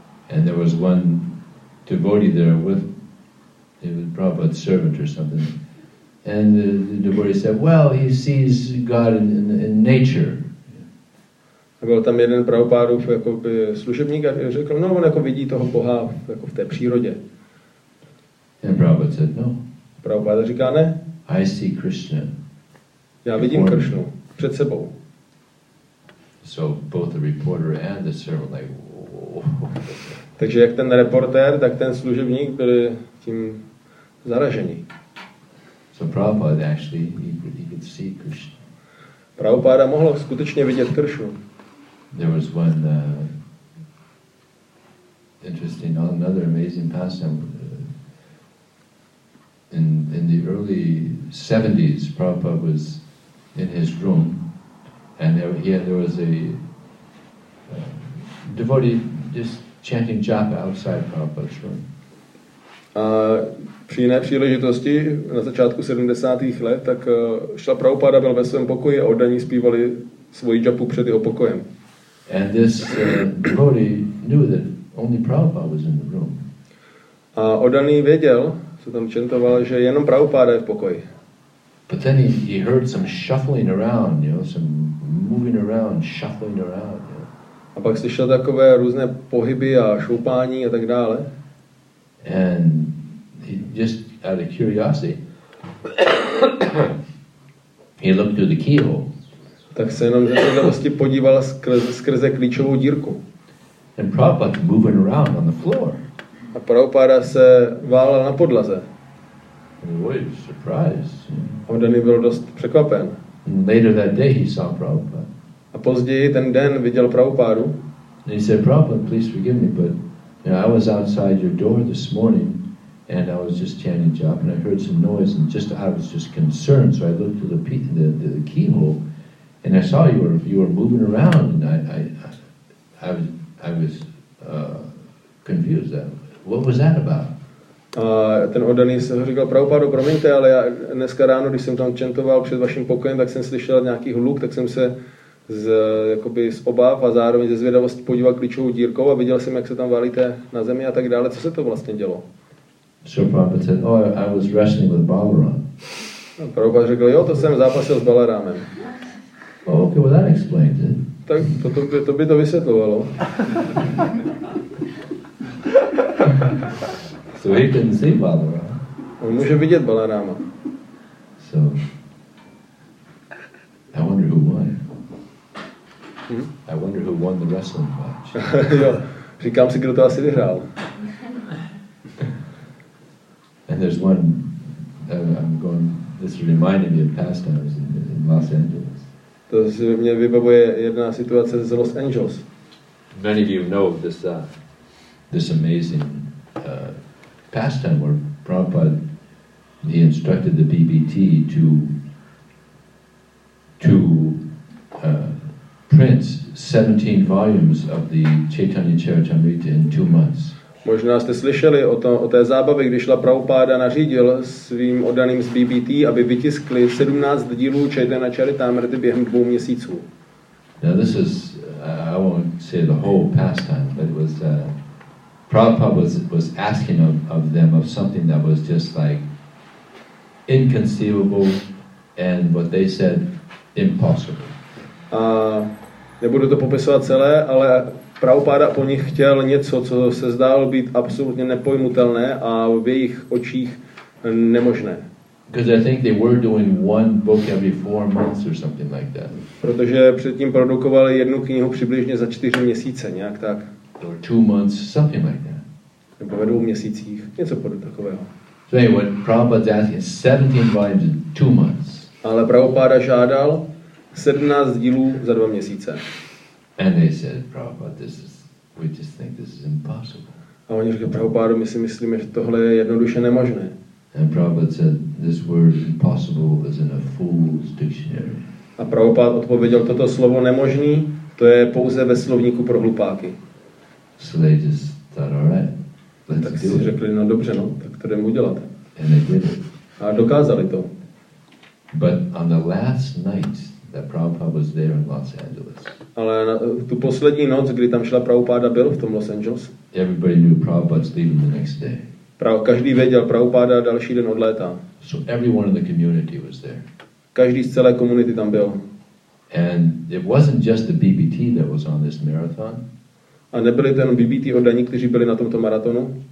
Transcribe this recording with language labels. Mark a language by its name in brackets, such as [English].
[English] And there was one devotee there with Prabhupada's servant or something. And the devotee said, well, he sees God in nature. [Czech] A byl tam jeden Prabhupádův jakoby služebník a řekl, no, on jako vidí toho Boha jako v té přírodě. [English] And Prabhupada said, no. [Czech] Prabhupada říká, ne. [English] I see Krishna. [Czech] Já vidím Kršnu před sebou. [English] So both the reporter and the servant like, whoa. [Czech] Takže jak ten reportér, tak ten služebník byli tím zaražení. [English] So Prabhupada actually, he could see Krishna. [Czech] Prabhupada mohlo skutečně vidět Kršnu. [English] There was one interesting, another amazing pastime. In the early 70s, Prabhupada was in his room, and there was a devotee just chanting japa outside Prabhupada's room. [Czech] A při jiné příležitosti, na začátku 70. let, tak šla Prabhupada, byl ve svém pokoji a oddaní zpívali svoji japu před jeho pokojem. [English] And this devotee knew that only Prabhupada was in the room. [Czech] A oddaný věděl, co tam čentoval, že jenom Prabhupada je v pokoji. [English] But then he heard some shuffling around, you know, some moving around, shuffling around. You know. [Czech] A pak slyšel takové různé pohyby a šoupání a tak dále. [English] And he just out of curiosity, he looked through the keyhole. [Czech] Tak se jenom ze zvědavosti podíval skrze klíčovou dírku. [English] And Prabhupada moving around on the floor. [Czech] A Prabhupada se válel na podlaze. [English] Boy, surprised. [Czech] A Oddaný byl dost překvapen. [English] And later that day he saw Prabhupada. [Czech] A později ten den viděl Prabhupádu. [English] And he said, Prabhupada, please forgive me, but you know, I was outside your door this morning and I was just chanting japa and I heard some noise and just I was just concerned, so I looked through the keyhole. And I saw you were moving around, and I was confused. What was that about? [Czech] Ten oddaný se ho říkal, Prabhupádo, promiňte, ale já dneska ráno, když jsem tam čentoval před vaším pokojem, tak jsem slyšel nějaký hluk, tak jsem se z obav a zároveň ze zvědavosti podíval klíčovou dírkou a viděl jsem, jak se tam valíte na zemi a tak dále. Co se to vlastně dělo? [English] So Prabhupada said, oh, I was wrestling with Balaram. [Czech] Prabhupada řekl, jo, to jsem zápasil s Balarámem. [English] Oh, okay, well that explains it. [Czech] Tak to by to vysvětlovalo. [English] So he can see Balarama. [Czech] On může vidět Balarama. [English] So I wonder who won. I wonder who won the wrestling match. [Czech] Jo, říkám si, kdo to asi vyhrál. [English] And there's one I'm going, this reminded me of past times in Los Angeles. [Czech] To se mě vybavuje jedna situace z Los Angeles. [English] Many of you know this this amazing pastime where Prabhupada, he instructed the BBT to print 17 volumes of the Chaitanya Charitamrita in 2 months. [Czech] Možná jste slyšeli o té zábavě, když šla Prabhupada nařídil svým oddaným z BBT, aby vytiskli 17 dílů Chaitanya Charitamrity během 2 měsíců. [English] Now this is I won't say the whole pastime, but it was Prabhupada was asking of them of something that was just like inconceivable and what they said impossible. [Czech] A nebudu to popisovat celé, ale Prabhupada po nich chtěl něco, co se zdálo být absolutně nepojmutelné a v jejich očích nemožné. [English] Because I think they were doing one book every 4 months or something like that. [Czech] Protože předtím produkovali jednu knihu přibližně za 4 měsíce, nějak tak. [English] Or 2 months, something like that. [Czech] Nebo ve 2 měsících, něco podobného takového. [English] So anyway, Prabhupada asked 17 volumes in 2 months. [Czech] Ale Prabhupada žádal 17 dílů za 2 měsíce. [English] And they said, Prabhupada, we just think this is impossible. [Czech] A oni říkali, Prabhupada, my si myslíme, že tohle je jednoduše nemožné. [English] And Prabhupada said, this word impossible is in a fool's dictionary. [Czech] A Prabhupada odpověděl, toto slovo nemožný, to je pouze ve slovníku pro hlupáky. [English] So they just thought, all right, let's [Czech] tak si řekli, no dobře, no, tak to jdeme udělat. [English] And they did it. [Czech] A dokázali to. [English] But on the last night that Prabhupada was there in Los Angeles. [Czech] Ale na tu poslední noc, kdy tam šla Prabhupada, byl v tom Los Angeles. [English] Everybody knew Prabhupada's leaving the next day. [Czech] Každý věděl, Prabhupáda další den odlétá. [English] So everyone in the community was there. [Czech] Každý z celé komunity tam byl. [English] And it wasn't just the BBT that was on this marathon. [Czech] A nebyli to jenom BBT oddaní, kteří byli na tomto maratonu.